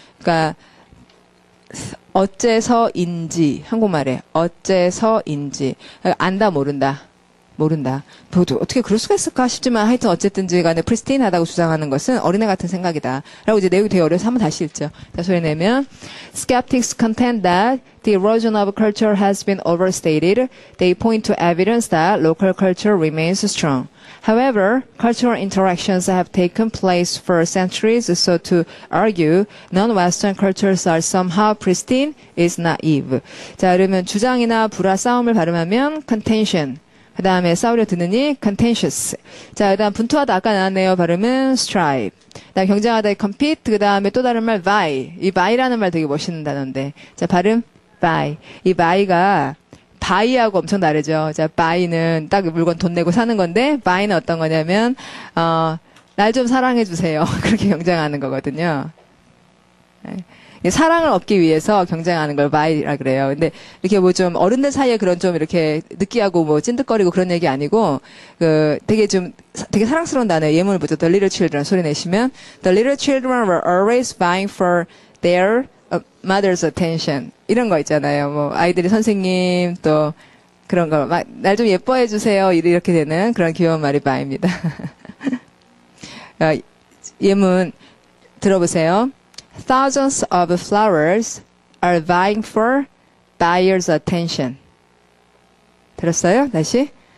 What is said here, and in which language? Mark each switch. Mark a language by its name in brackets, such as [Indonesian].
[Korean] 그러니까 어째서인지 한국말에 어째서인지 안다 모른다 모른다. 어떻게 그럴 수가 있을까 싶지만 하여튼 어쨌든지간에 pristine하다고 주장하는 것은 어린애 같은 생각이다라고 이제 내용이 되게 어려워서 한번 다시 읽죠. 자, 소리 내면 [English] skeptics contend that the erosion of culture has been overstated. They point to evidence that local culture remains strong. However, cultural interactions have taken place for centuries, so to argue, non-Western cultures are somehow pristine is naive. [Korean] 자, 그러면 주장이나 불화 싸움을 발음하면 contention. 그 다음에 싸우려 드느니 contentious. 자, 그 다음 분투하다 아까 나왔네요. 발음은 strive. 그 다음 경쟁하다의 compete. 그 다음에 또 다른 말 vie. 이 vie라는 말 되게 멋있는 단어인데. 자, 발음 vie. 이 vie가 바이하고 엄청 다르죠. 자, 바이는 딱 물건 돈 내고 사는 건데, 바이는 어떤 거냐면, 날좀 사랑해 주세요. 그렇게 경쟁하는 거거든요. 사랑을 얻기 위해서 경쟁하는 걸 바이라 그래요. 근데 이렇게 뭐좀 어른들 사이에 그런 좀 이렇게 느끼하고 뭐 찐득거리고 그런 얘기 아니고, 되게 좀 되게 사랑스러운 단어예요. 예문을 보죠. [English] The little children [Korean] 소리 내시면, [English] The little children were always vying for their mother's attention. [Korean] 이런 거 있잖아요. 뭐, 아이들이 선생님, 또, 그런 거, 막, 날좀 예뻐해 주세요. 이렇게 되는 그런 귀여운 말이 바입니다. 예문, 들어보세요. [English] Thousands of flowers are vying for buyer's attention. [Korean] 들었어요? 다시.